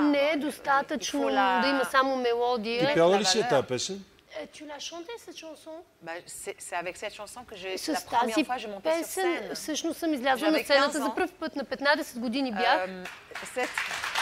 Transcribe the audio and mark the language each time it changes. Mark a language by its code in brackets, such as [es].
[bg] Не е достатъчно да има само мелодия. Ти пяла ли си тази песен? [fr] Tu l'as chanté cette chanson? C'est avec cette chanson que j'ai la première fois j'ai monté sur scène. [bg] Всъщност съм излязла на сцената за пръв път на 15 години бях.